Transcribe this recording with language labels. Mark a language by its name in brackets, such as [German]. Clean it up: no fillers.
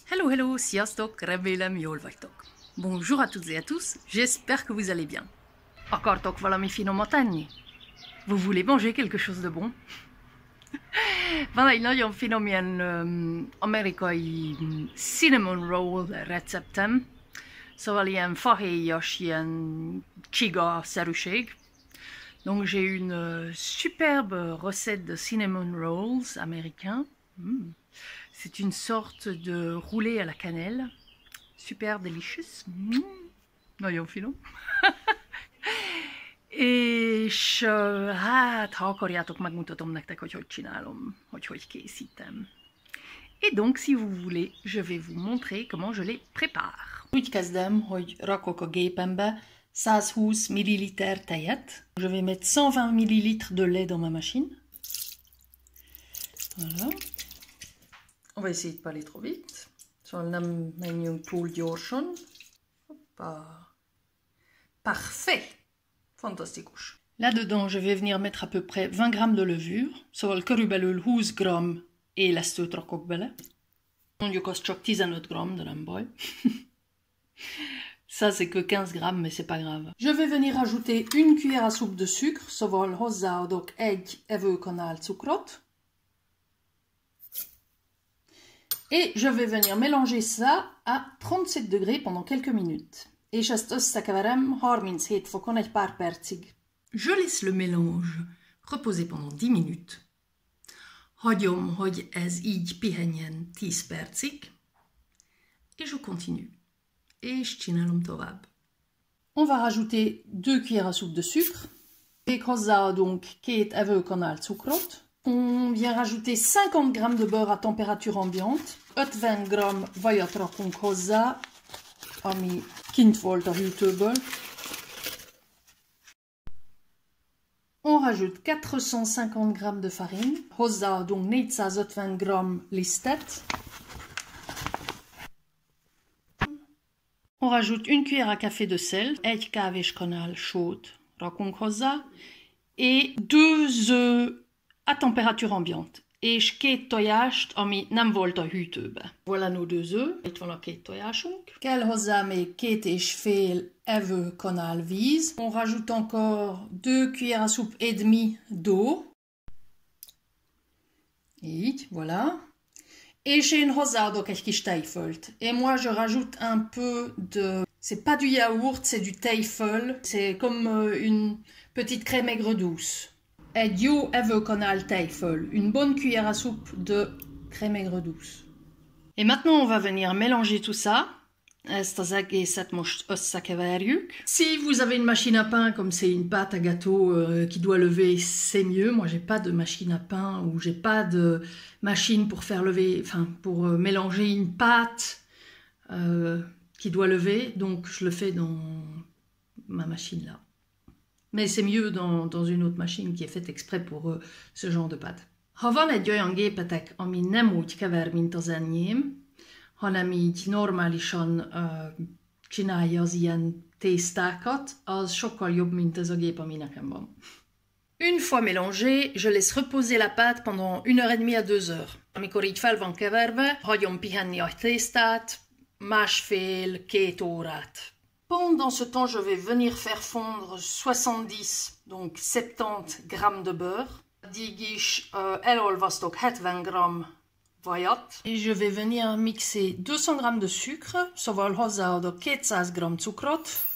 [Hungarian] Hello, hello, sziasztok, remélem jól vagytok. [French] Bonjour à toutes et à tous, j'espère que vous allez bien. [Hungarian] Akartok valami finomat enni? [French] Vous voulez manger quelque chose de bon? [Hungarian] Van egy nagyon finom ilyen amerikai cinnamon roll receptem, szóval ilyen fahéjas, ilyen csiga-szerűség. [French] Donc j'ai une superbe recette de cinnamon rolls américain. C'est une sorte de roulé à la cannelle. [English] Super delicious. [Hungarian] Noyon filon. És hát, ha akarjátok, megmutatom nektek, hogy hogy csinálom, hogy hogy készítem. [French] Et donc, si vous voulez, je vais vous montrer comment je les prépare. [Hungarian] Úgy kezdem, hogy rakok a gépembe 120 ml tejet. [French] Je vais mettre 120 ml de lait dans ma machine. Voilà. On va essayer de ne pas aller trop vite. [Hungarian] Szóval nem menjünk túl gyorsan. [French] Hoppa. Parfait. Fantastikus. Là-dedans, je vais venir mettre à peu près 20 g de levure. [Hungarian] Szóval körülbelül 20 g élesztőt rakok bele. Mondjuk az csak 15 g, de nem baj. [French] Ça, c'est que 15 g, mais c'est pas grave. Je vais venir ajouter une cuillère à soupe de sucre. [Hungarian] Szóval hozzáadok egy evőkanál cukrot. [French] Et je vais venir mélanger ça à 37 degrés pendant quelques minutes. Et je vais [Hungarian] összekeverem 37 fokon egy pár percig. [French] Je laisse le mélange reposer pendant 10 minutes. [Hungarian] Hagyom, hogy ez így pihenjen 10 percig. [French] Et je continue. Et je [Hungarian] csinálom tovább. [French] On va rajouter 2 cuillères à soupe de sucre. [Hungarian] Et hozzá donc 2 evőkanál cukrot. [French] On vient rajouter 50 g de beurre à température ambiante. [Hungarian] 50 g vajat rakunk hozzá, ami kint volt a hűtőből. [French] On rajoute 450 g de farine. [Hungarian] Hozzá donc 450 g lisztet. [French] On rajoute une cuillère à café de sel. [Hungarian] Egy kávés kanál sót rakunk hozzá. [French] Et 2 œufs à température ambiante. [Hungarian] És két tojást, ami nem volt a hűtőbe. [French] Voilà nos deux œufs. [Hungarian] Itt van a két tojásunk. Kell hozzá még 2,5 evőkanál víz. [French] On rajoute encore 2 cuillères à soupe et demi d'eau. [Hungarian] Így, voilà. És én hozzáadok egy kis tejfölt. [French] Et moi je rajoute un peu de... C'est pas du yaourt, c'est du tejföl. C'est comme une petite crème aigre douce. [Hungarian] Egy jó evőkanál tejföl. [French] Une bonne cuillère à soupe de crème aigre douce. Et maintenant, on va venir mélanger tout ça. [Hungarian] Ezt az egészet most összekeverjük. [French] Si vous avez une machine à pain, comme c'est une pâte à gâteau qui doit lever, c'est mieux. Moi, j'ai pas de machine à pain ou j'ai pas de machine pour faire lever, enfin, pour mélanger une pâte qui doit lever. Donc, je le fais dans ma machine là. Mais c'est mieux dans une autre machine qui est faite exprès pour ce genre de pâte. [Hungarian] Ha van egy olyan gépetek, ami nem úgy kever, mint az enyém, hanem így normálisan csinálja az ilyen tésztákat, az sokkal jobb, mint ez a gép, ami nekem van. [French] Une fois mélangé, je laisse reposer la pâte pendant 1h30 à 2h. [Hungarian] Amikor így fel van keverve, hagyom pihenni a tésztát másfél-két órát. [French] Pendant ce temps, je vais venir faire fondre 70, donc 70 g de beurre. [Hungarian] Addig is elolvasztok 70 g vajat. [French] Et je vais venir mixer 200 g de sucre, [Hungarian] szóval hozzáadok 200 g cukrot.